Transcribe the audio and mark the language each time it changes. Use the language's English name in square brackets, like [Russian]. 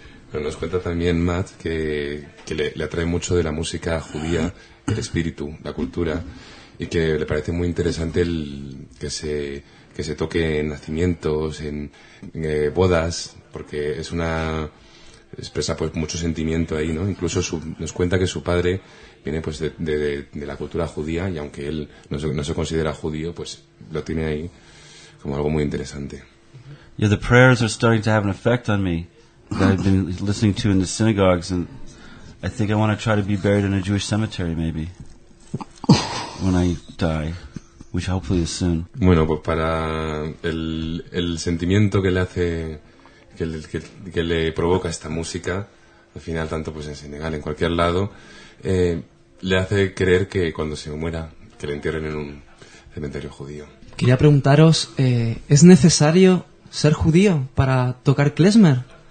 [Spanish] Pero nos cuenta también Matt que le atrae mucho de la música judía, el espíritu, la cultura, y que le parece muy interesante que se toque en nacimientos, en bodas, porque es una expresa pues mucho sentimiento ahí, ¿no? Incluso nos cuenta que su padre viene pues de la cultura judía, y aunque él no se considera judío, pues lo tiene ahí como algo muy interesante. [English] Yeah, the prayers are starting to have an effect on me that I've been listening to in the synagogues, and I think I want to try to be buried in a Jewish cemetery, maybe, when I die, which hopefully is soon. [Spanish] Bueno, pues para el sentimiento que le hace, que le provoca esta música, al final, tanto pues en Senegal, en cualquier lado, le hace creer que cuando se muera, que le entierren en un cementerio judío. Quería preguntaros, ¿es necesario ser judío para tocar klezmer?